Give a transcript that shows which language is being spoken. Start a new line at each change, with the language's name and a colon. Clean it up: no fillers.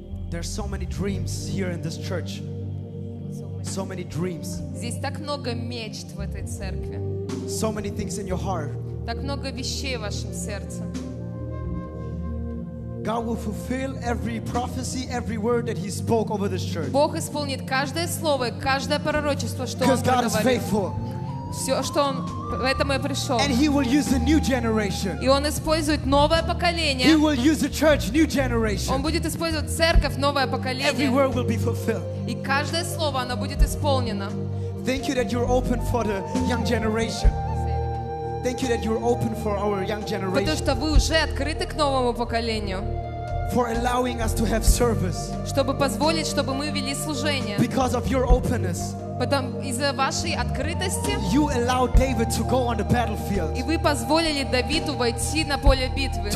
English: There are so many dreams here in this church. So many dreams.
Russian: Здесь так много мечт в этой церкви.
English: So many things in your heart.
Russian: Так много вещей в вашем сердце.
English: God will fulfill every prophecy, every word that He spoke over this church.
Russian: Бог исполнит каждое слово, каждое пророчество, что Он говорит.
English: Because God is faithful.
Russian: все, что он в этом и пришел.
English: And he will use a new generation.
Russian: И он использует новое поколение.
English: He will use a church, new generation.
Russian: Он будет использовать церковь, новое поколение.
English: Every word will be fulfilled.
Russian: И каждое слово, оно будет исполнено.
English: Thank you that you're open for the young generation. Thank you that you're open for our young generation.
Russian: Потому что вы уже открыты к новому поколению.
English: For allowing us to have service.
Russian: Чтобы позволить, чтобы мы вели служение.
English: Because of your openness.
Russian: Потом из-за вашей открытости.
English: You allowed David to go on the battlefield.
Russian: И вы позволили Давиду войти на поле битвы.